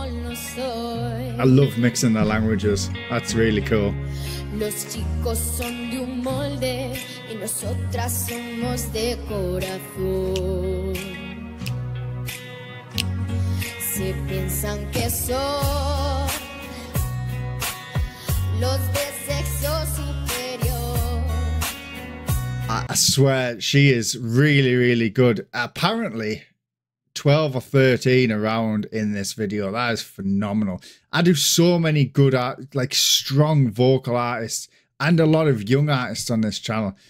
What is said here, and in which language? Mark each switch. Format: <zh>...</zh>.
<en>I love mixing the languages. That's really cool.</en> <es>Los chicos son de un molde y nosotras somos de corazón. Si piensan que son los de sexo superior.</es> <en>I swear she is really, really good. Apparently 12 or 13 around in this video. That is phenomenal. I do so many good like strong vocal artists and a lot of young artists on this channel.</en>